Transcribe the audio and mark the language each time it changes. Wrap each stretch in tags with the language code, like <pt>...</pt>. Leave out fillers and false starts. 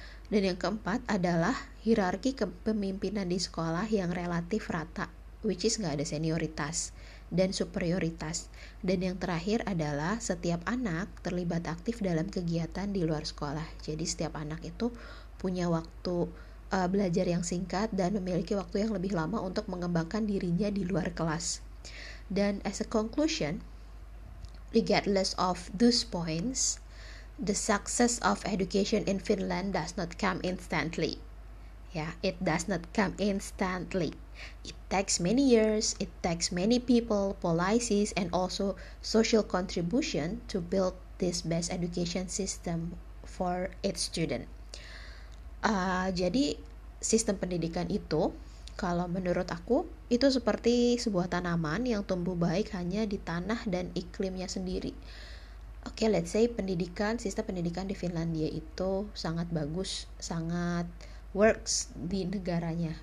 <id>Dan yang keempat adalah hierarki kepemimpinan di sekolah yang relatif rata,</id> <en>which is</en> <id>nggak ada senioritas dan superioritas. Dan yang terakhir adalah setiap anak terlibat aktif dalam kegiatan di luar sekolah. Jadi setiap anak itu punya waktu belajar yang singkat dan memiliki waktu yang lebih lama untuk mengembangkan dirinya di luar kelas.</id> <en>Dan as a conclusion, regardless of those points, the success of education in Finland does not come instantly. Yeah, it does not come instantly. It takes many years, it takes many people, policies, and also social contribution to build this best education system for its student.</en> <id>Jadi, sistem pendidikan itu, kalau menurut aku, itu seperti sebuah tanaman yang tumbuh baik hanya di tanah dan iklimnya sendiri. Oke,</id> <en>let's say</en> <id>pendidikan, sistem pendidikan di Finlandia itu sangat bagus, sangat works di negaranya.</id>